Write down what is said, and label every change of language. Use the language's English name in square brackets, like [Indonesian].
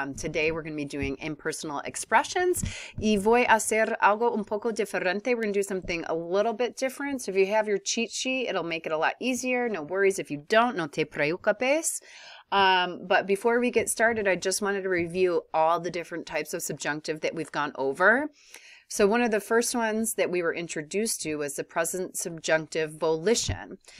[English] Today, we're going to be doing impersonal expressions. [Spanish] Y voy a hacer algo un poco diferente. [English] We're going to do something a little bit different. So, if you have your cheat sheet, it'll make it a lot easier. No worries if you don't. [Spanish] No te preocupes. [English] But before we get started, I just wanted to review all the different types of subjunctive that we've gone over. So one of the first ones that we were introduced to was the present subjunctive volition.